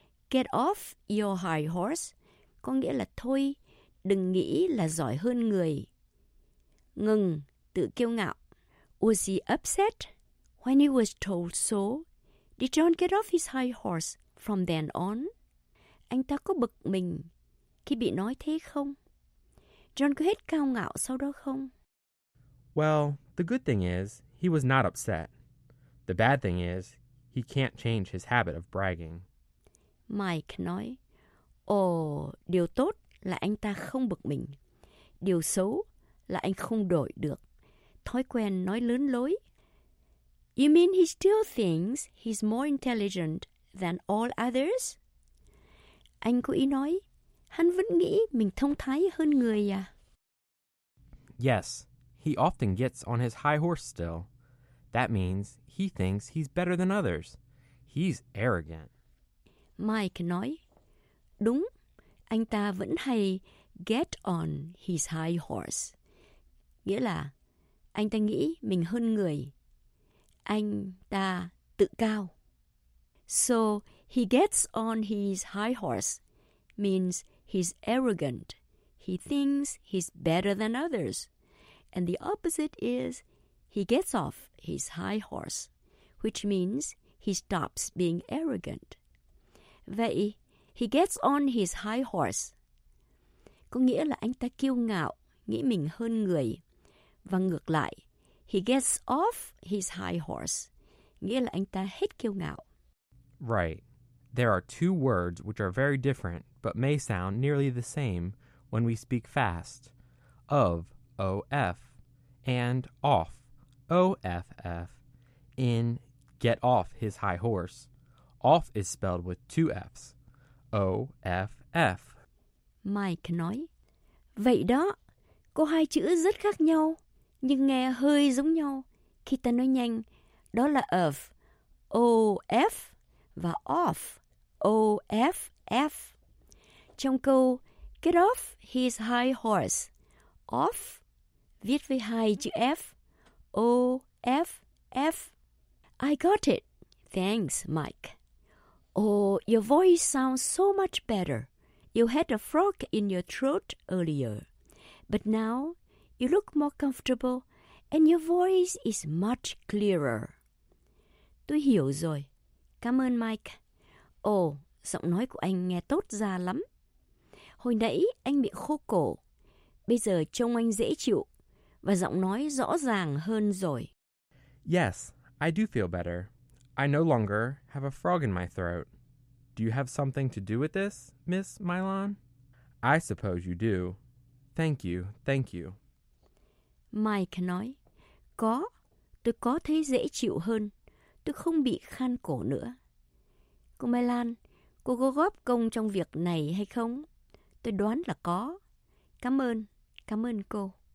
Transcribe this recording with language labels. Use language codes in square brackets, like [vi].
[en] Get off your high horse, [vi] có nghĩa là thôi, đừng nghĩ là giỏi hơn người. Ngừng, tự kiêu ngạo. [en] Was he upset when he was told so? Did John get off his high horse from then on? [vi] Anh ta có bực mình khi bị nói thế không? John có hết cao ngạo sau đó không? [en] Well, the good thing is, he was not upset. The bad thing is, he can't change his habit of bragging. [vi] Mike nói, ồ, điều tốt là anh ta không bực mình. Điều xấu là anh không đổi được thói quen nói lớn lối. [en] You mean he still thinks he's more intelligent than all others? [vi] Anh có ý nói, hắn vẫn nghĩ mình thông thái hơn người à? [en] Yes, he often gets on his high horse still. That means he thinks he's better than others. He's arrogant. [vi] Mike nói, đúng, anh ta vẫn hay [en] get on his high horse. [vi] Nghĩa là, anh ta nghĩ mình hơn người. Anh ta tự cao. [en] So, he gets on his high horse means he's arrogant. He thinks he's better than others. And the opposite is he gets off his high horse, which means he stops being arrogant. [vi] Vậy, [en] he gets on his high horse [vi] có nghĩa là anh ta kiêu ngạo, nghĩ mình hơn người. Và ngược lại, [en] he gets off his high horse [vi] nghĩa là anh ta hết kiêu ngạo. [en] Right. There are two words which are very different but may sound nearly the same when we speak fast. Of, O-F, and off, O-F-F, in get off his high horse. Off is spelled with two F's, O-F-F. [vi] Mike nói, vậy đó, có hai chữ rất khác nhau, nhưng nghe hơi giống nhau. Khi ta nói nhanh, đó là of, O-F và off, O-F-F. Trong câu [en] get off his high horse, [vi] off viết với hai chữ F, O-F-F. [en] I got it. Thanks, Mike. Oh, your voice sounds so much better. You had a frog in your throat earlier, but now you look more comfortable and your voice is much clearer. [vi] Tôi hiểu rồi. Cảm ơn Mike. Oh, giọng nói của anh nghe tốt ra lắm. Hồi nãy anh bị khô cổ. Bây giờ trông anh dễ chịu và giọng nói rõ ràng hơn rồi. [en] Yes, I do feel better. I no longer have a frog in my throat. Do you have something to do with this, Miss Mylon? I suppose you do. Thank you, thank you. [vi] Mike nói, có, tôi có thấy dễ chịu hơn. Tôi không bị khan cổ nữa. Cô Mylon, cô có góp công trong việc này hay không? Tôi đoán là có. Cảm ơn cô.